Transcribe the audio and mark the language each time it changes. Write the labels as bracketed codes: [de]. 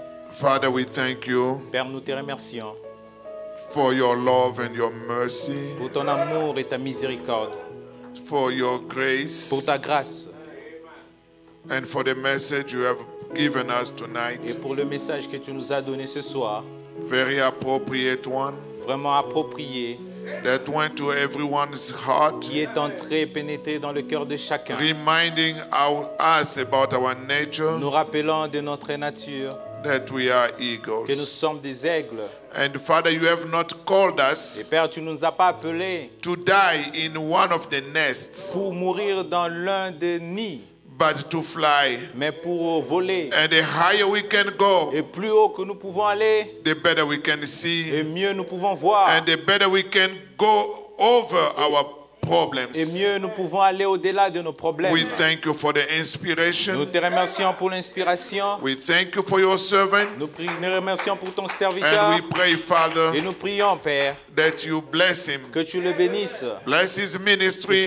[en] Father, we thank you. [fr] Père, nous te remercions. [en] For your love and your mercy. [fr] Pour ton amour et ta miséricorde. [en] For your grace. [fr] Pour ta grâce. [en] And for the message you have given us tonight. [fr] Et pour le message que tu nous as donné ce soir. [en] Very appropriate one. [fr] Vraiment approprié. [en] That went to everyone's heart. [fr] Qui est entré et pénétré dans le cœur de chacun. [en] Reminding us about our nature. [fr] Nous rappelant de notre nature. [en] That we are eagles. [fr] Que nous sommes des aigles. [en] And Father, you have not called us. [fr] Et Père, tu nous as pas appelés. [en] To die in one of the nests. [fr] Pour mourir dans l'un des nids. [en] But to fly. [fr] Mais pour voler. [en] And the higher we can go. [fr] Et plus haut que nous pouvons aller. [en] The better we can see. [fr] Et mieux nous pouvons voir. [en] And the better we can go over our problems. [fr] Et mieux nous pouvons aller au-delà de nos problèmes. [en] We thank you for the inspiration. [fr] Nous te remercions pour l'inspiration. [en] We thank you for your servant. [fr] Nous remercions pour ton serviteur. [en] And we pray, Father. [fr] Et nous prions, Père. [en] That you bless him. [fr] Que tu le bénisses. [en] Bless his ministry.